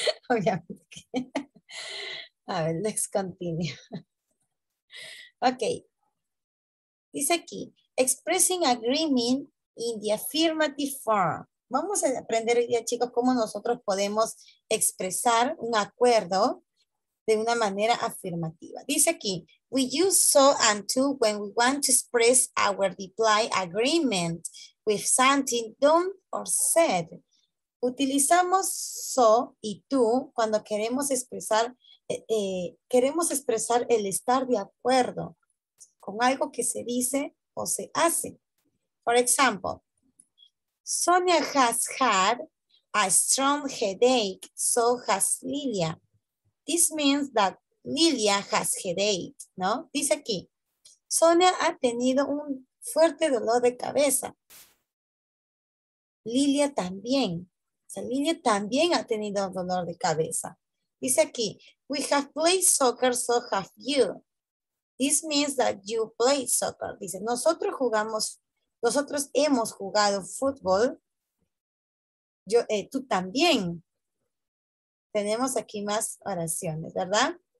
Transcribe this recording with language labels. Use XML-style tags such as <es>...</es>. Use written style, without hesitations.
<es>Obviamente que. A ver,</es> <en>let's continue. Okay.</en> <es>Dice aquí,</es> <en>expressing agreement in the affirmative form.</en> <es>Vamos a aprender hoy día, chicos, cómo nosotros podemos expresar un acuerdo de una manera afirmativa. Dice aquí,</es> <en>we use so and to when we want to express our deploy agreement with something done or said.</en> <es>Utilizamos so y tú cuando queremos expresar el estar de acuerdo con algo que se dice o se hace.</es> <en>For example, Sonia has had a strong headache, so has Lilia. This means that Lilia has headache, ¿no?</en> <es>Dice aquí, Sonia ha tenido un fuerte dolor de cabeza. Lilia también. O sea, Lilia también ha tenido dolor de cabeza. Dice aquí,</es> <en>we have played soccer, so have you. This means that you play soccer.</en> <es>Dice, nosotros hemos jugado fútbol. Tú también. Tenemos aquí más oraciones, ¿verdad?</es>